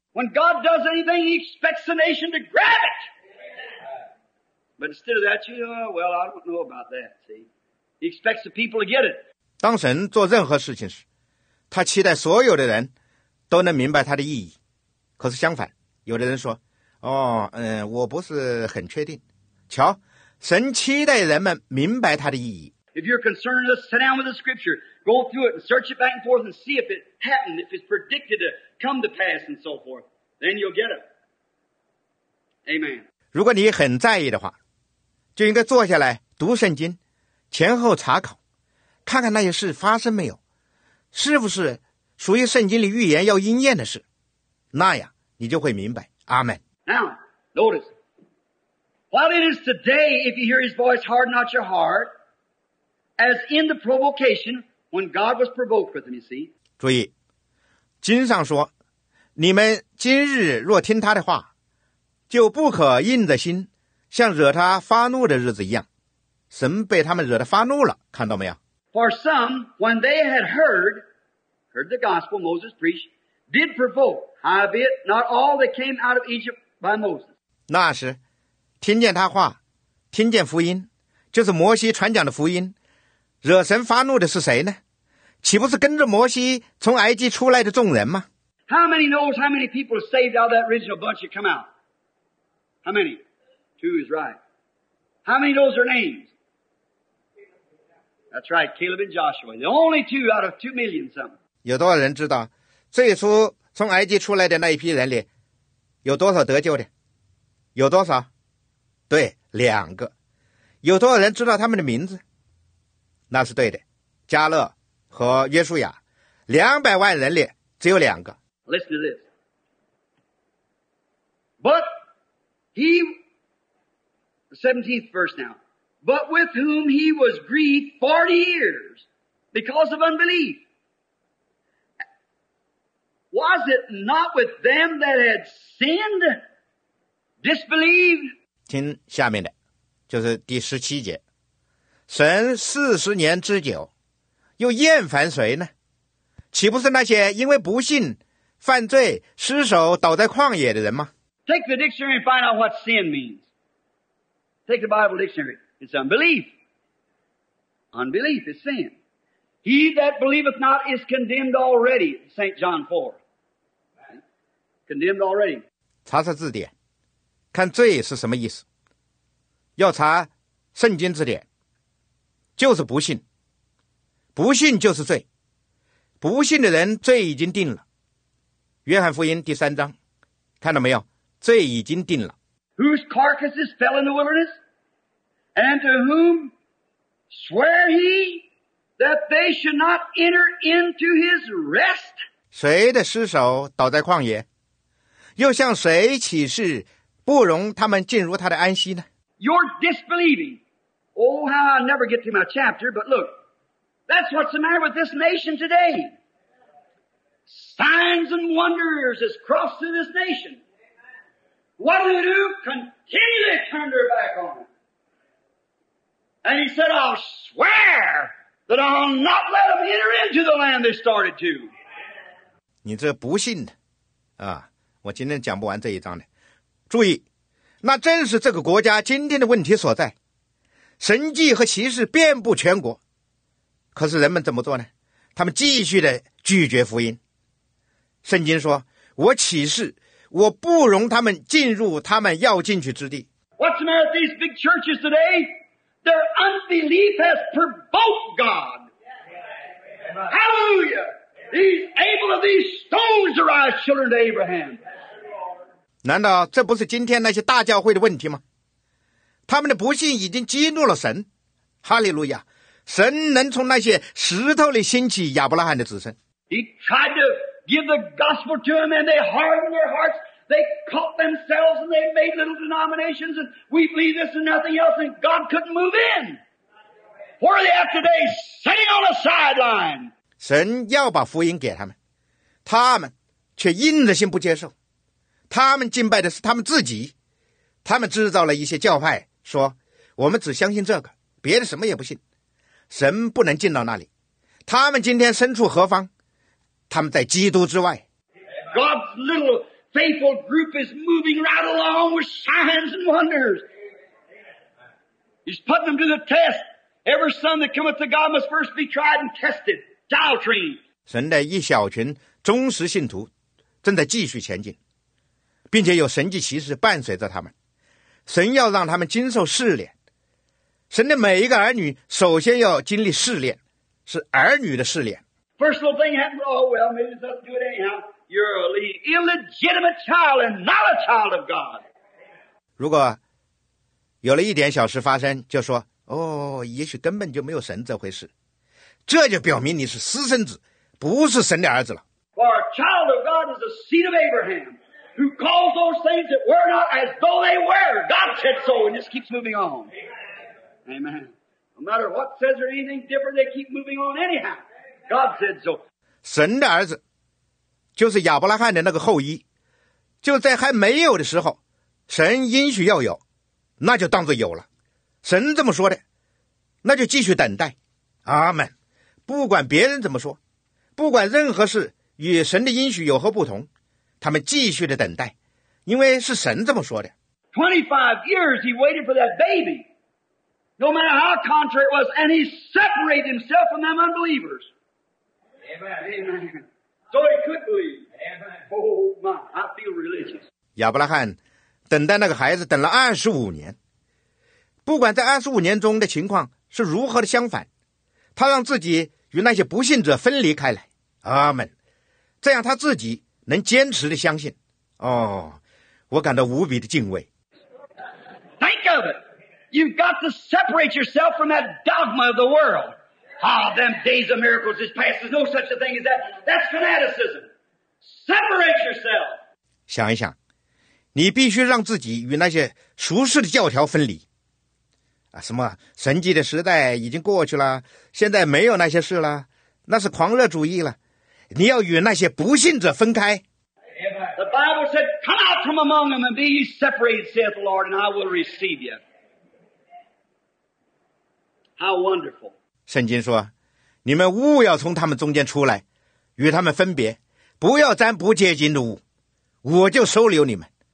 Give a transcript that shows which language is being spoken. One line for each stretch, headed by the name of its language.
English: When God does anything, he expects the nation to grab it. But instead of that, I don't know about that, see. He expects the people to get it.
Chinese: 当神做任何事情时，他期待所有的人都能明白他的意义。可是相反，有的人说，我不是很确定。瞧，神期待人们明白他的意义。
English: If you're concerned, just sit down with the scripture, go through it and search it back and forth and see if it happened, if it's predicted to come to pass and so forth. Then you'll get it. Amen.
Chinese: 如果你很在意的话，就应该坐下来读圣经，前后查考，看看那些事发生没有，是不是属于圣经里预言要应验的事，那样你就会明白。阿们。
English: Now, notice, while it is today, if you hear his voice, harden not your heart, as in the provocation when God was provoked with him, you see.
Chinese: 注意，经上说，你们今日若听他的话，就不可硬着心，像惹他发怒的日子一样。神被他们惹得发怒了，看到没有？
English: For some, when they had heard the gospel Moses preached, did provoke, howbeit not all that came out of Egypt.
Chinese: 那时听见他话，听见福音，就是摩西传讲的福音，惹神发怒的是谁呢？岂不是跟着摩西从埃及出来的众人吗？
English: How many knows how many people are saved out of that original bunch that come out? How many? Two is right. How many knows their names? That's right, Caleb and Joshua. The only two out of 2 million something.
Chinese: 有多少人知道最初从埃及出来的那一批人里有多少得救的？有多少？对，两个。有多少人知道他们的名字？那是对的。加勒和约书亚，200万人里只有两个。
English: Listen to this. But he, 17th verse now. But with whom he was grieved 40 years because of unbelief. Was it not with them that had sinned, disbelieved?
Chinese: 听下面的，就是第十七节。神40年之久，又厌烦谁呢？岂不是那些因为不信、犯罪、失手倒在旷野的人吗？
English: Take the dictionary and find out what sin means. Take the Bible dictionary. It's unbelief. Unbelief is sin. He that believeth not is condemned already, St. John 4. Condemned already.
Chinese: 查查字典，看罪是什么意思。要查圣经字典，就是不信。不信就是罪，不信的人罪已经定了。约翰福音第三章，看到没有？罪已经定了。
English: Whose carcasses fell in the wilderness, and to whom swear he that they should not enter into his rest?
Chinese: 谁的尸首倒在旷野？又向谁起誓，不容他们进入他的安息呢？
English: You're disbelieving. Oh, how I never get to my chapter, but look. That's what's the matter with this nation today. Signs and wonders has crossed through this nation. What do they do? Continually turn their back on him. And he said, I'll swear that I'll not let them enter into the land they started to.
Chinese: 你这不信的啊，我今天讲不完这一章的。注意，那正是这个国家今天的问题所在。神迹和奇事遍布全国。可是人们怎么做呢？他们继续的拒绝福音。圣经说，我起誓，我不容他们进入他们要进去之地。
English: What's the matter with these big churches today? Their unbelief has provoked God. Hallelujah! These Abel of these stones are our children to Abraham.
Chinese: 难道这不是今天那些大教会的问题吗？他们的不信已经激怒了神。哈利路亚！神能从那些石头里兴起亚伯拉罕的子孙。
English: He tried to give the gospel to them and they hardened their hearts. They caught themselves and they made little denominations and we believe this and nothing else and God couldn't move in. Where are they at today? Sitting on a sideline.
Chinese: 神要把福音给他们，他们却硬着心不接受。他们敬拜的是他们自己，他们制造了一些教派，说我们只相信这个，别的什么也不信。神不能进到那里，他们今天身处何方？他们在基督之外。
English: God's little faithful group is moving right along with signs and wonders. He's putting them to the test. Every son that cometh to God must first be tried and tested. Doctrine.
Chinese: 神的一小群忠实信徒正在继续前进，并且有神迹奇事伴随着他们。神要让他们经受试炼。神的每一个儿女首先要经历试炼，是儿女的试炼。
English: First little thing happens, oh well, maybe it's not to do it anyhow. You're an illegitimate child and not a child of God.
Chinese: 如果有了一点小事发生，就说哦，也许根本就没有神这回事，这就表明你是私生子，不是神的儿子了。
English: For a child of God is the seed of Abraham, who calls those things that were not as though they were. God said so, and just keeps moving on. Amen. Amen. No matter what says or anything different, they keep moving on anyhow. God said so.
Chinese: 神的儿子就是亚伯拉罕的那个后裔，就在还没有的时候，神应许要有，那就当作有了。神这么说的，那就继续等待。阿们。不管别人怎么说，不管任何事与神的应许有何不同，他们继续的等待，因为是神这么说的。
English: 25 years he waited for that baby. No matter how contrary it was, and he separated himself from them unbelievers. Amen. So he could believe. Amen. Oh my, I feel religious.
Chinese: 亚伯拉罕等待那个孩子等了25年，不管在25年中的情况是如何的相反，他让自己与那些不信者分离开来。阿们。这样他自己能坚持的相信。哦，我感到无比的敬畏。
English: Think of it. You've got to separate yourself from that dogma of the world. Ah, them days of miracles is past. There's no such a thing as that. That's fanaticism. Separate yourself.
Chinese: 想一想，你必须让自己与那些俗世的教条分离。啊，什么神迹的时代已经过去了，现在没有那些事了，那是狂热主义了。你要与那些不信者分开。
English: The Bible said, "Come out from among them and be ye separated," saith the Lord, "and I will receive you." How wonderful!
Chinese: 圣经说，你们务要从他们中间出来，与他们分别，不要沾不洁净的物，我就收留你们。